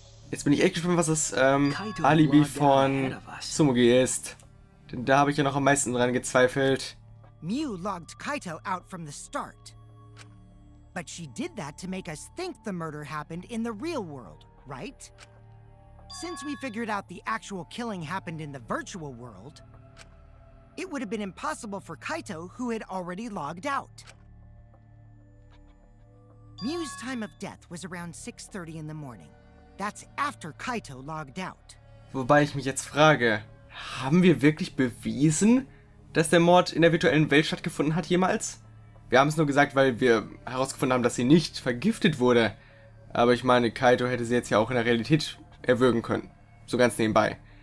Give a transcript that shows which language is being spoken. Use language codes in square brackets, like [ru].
[de] Jetzt bin ich echt gespannt, was das Alibi von Tsumugi ist. Denn da habe ich ja noch am meisten dran gezweifelt. [en] Miu logged Kaito out from the start. But she did that to make us think the murder happened in the real world, right? Since we figured out the actual killing happened in the virtual world, it would have been impossible for Kaito, who had already logged out. Miu's time of death was around 6:30 in the morning. That's after Kaito logged out. [de] Wobei ich mich jetzt frage, haben wir wirklich bewiesen, dass der Mord in der virtuellen Welt stattgefunden hat jemals? Wir haben es nur gesagt, weil wir herausgefunden haben, dass sie nicht vergiftet wurde. Aber ich meine, Kaito hätte sie jetzt ja auch in der Realität erwürgen können. So ganz nebenbei.